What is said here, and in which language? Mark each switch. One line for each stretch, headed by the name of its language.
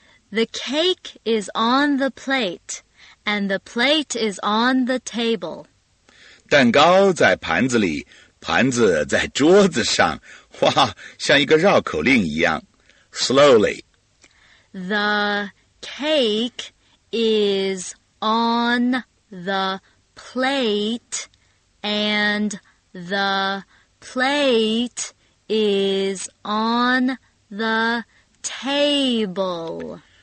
English: The cake is on the plate, and the plate is on the table.
Chinese: 蛋糕在盘子里，盘子在桌子上，哇，像一个绕口令一样。
English: Slowly. The cake is on the plate, and the plate is on the table.